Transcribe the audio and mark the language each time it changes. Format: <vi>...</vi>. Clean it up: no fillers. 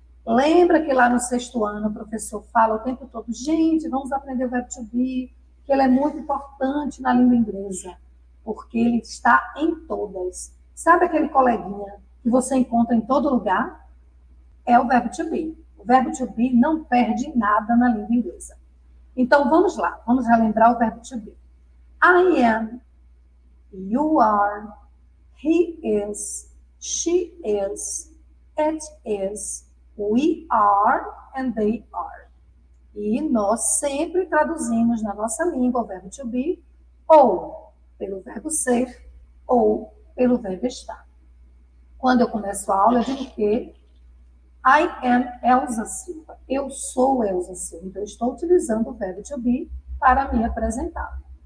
<pt>Lembra que lá no sexto ano o professor fala o tempo todo, gente, vamos aprender o verbo to be, que ele é muito importante na língua inglesa, porque ele está em todas. Sabe aquele coleguinha que você encontra em todo lugar? É o verbo to be. O verbo to be não perde nada na língua inglesa. Então, vamos lá. Vamos relembrar o verbo to be.</pt> <en>I am, you are, he is, she is, it is, we are, and they are.</en> <pt>E nós sempre traduzimos na nossa língua o verbo to be ou pelo verbo ser ou pelo verbo estar. Quando eu começo a aula, eu digo que</pt> <en>I am Elsa Silva.</en> <pt>Eu sou Elsa Silva. Então, eu estou utilizando o verbo to be para me apresentar.</pt>